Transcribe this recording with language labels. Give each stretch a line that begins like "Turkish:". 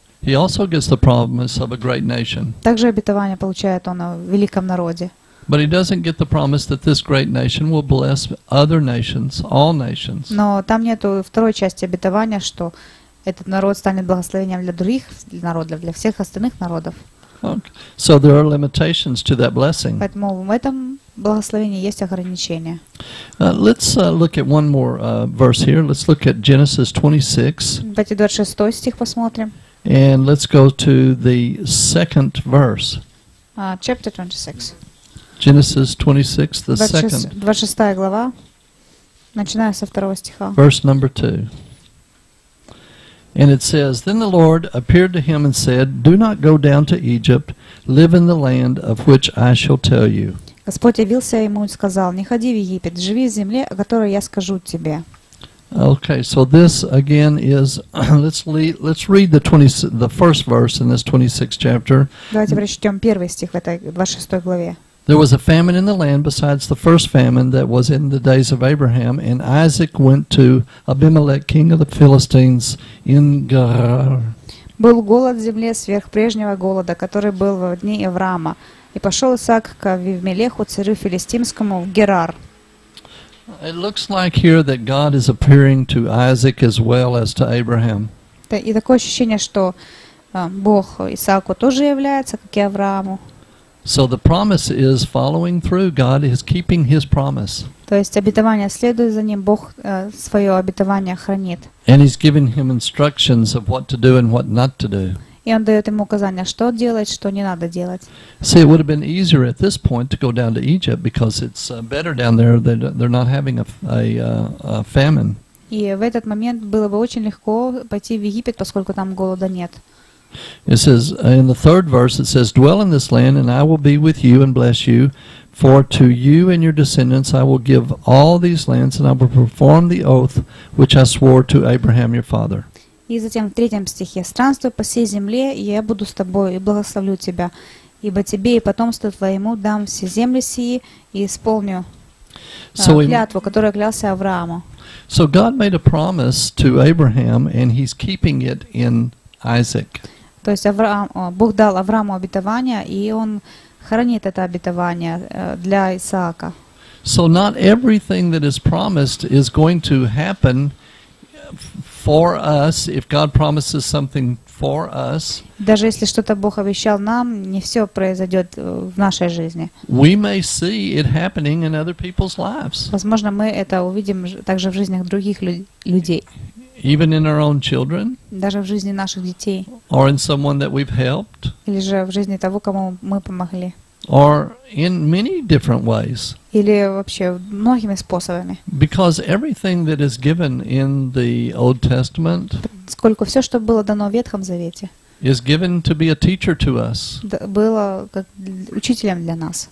English: He also gets the promise of a great nation.
Russian: Также обетование получает он о великом народе.
English: But he doesn't get the promise that this great nation will bless other nations, all nations.
Russian: Но там нету второй части обетования, что этот народ станет благословением для других народов, для всех остальных народов.
English: Okay. So there are limitations to that blessing.
Russian: Поэтому в этом благословении есть ограничения.
English: Let's look at one more verse here. Let's look at Genesis 26.
Russian: Давайте 26 стих посмотрим.
English: And let's go to the second verse. Chapter 26. Genesis 26, the second.
Russian: 26 глава, начиная со второго стиха.
English: Verse number 2. And it says, Then the Lord appeared to him and said, Do not go down to Egypt, live in the land of which I shall tell you.
Russian: Господь явился ему и сказал, Не ходи в Египет, живи в земле, о которой я скажу тебе.
English: Okay, so this again is let's read the first verse in this 26th chapter.
Russian: Давайте прочтем первый стих в этой 26 главе.
English: There was a famine in the land besides the first famine that was in the days of Abraham, and Isaac went to Abimelech, king of the Philistines, in Gerar.
Russian: Был голод в земле сверх прежнего голода, который был во дни Авраама, и пошел Исаак к Авимелеху, царю филистимскому, в Герар.
English: It looks like here that God is appearing to Isaac as well as to Abraham.
Russian: И такое ощущение, что Бог Исааку тоже является, как и Аврааму.
English: So the promise is following through. God is keeping His promise.
Russian: То есть обетование следует за ним. Бог свое обетование хранит.
English: And He's giving him instructions of what to do and what not to do.
Russian: И он дает ему указания, что делать, что не надо делать.
English: See, it would have been easier at this point to go down to Egypt because it's better down there. They're not having a famine.
Russian: И в этот момент было бы очень легко пойти в Египет, поскольку там голода нет.
English: It says in the third verse, it says, "Dwell in this land, and I will be with you and bless you. For to you and your descendants I will give all these lands, and I will perform the oath which I swore to Abraham your father."
Russian: И затем в третьем стихе: "Странствуй по всей земле, и я буду с тобой и благословлю тебя, ибо тебе и потомству твоему дам все земли сии и исполню клятву, которую клялся Аврааму."
English: So God made a promise to Abraham, and He's keeping it in Isaac.
Russian: То есть Авраам, Бог дал Аврааму обетование, и он хранит это обетование для Исаака.
English: So not everything that is promised is going to happen for us if God promises something for us.
Russian: Даже если что-то Бог обещал нам, не все произойдет в нашей жизни.
English: We may see it happening in other people's lives.
Russian: Возможно, мы это увидим также в жизнях других людей.
English: Even in our own children,
Russian: даже в жизни наших детей,
English: or in someone that we've helped,
Russian: или же в жизни того, кому мы помогли,
English: or in many different ways,
Russian: или вообще многими способами.
English: Because everything that is given in the Old Testament,
Russian: сколько все, что было дано в Ветхом Завете,
English: is given to be a teacher to us.
Russian: Было как учителем для нас.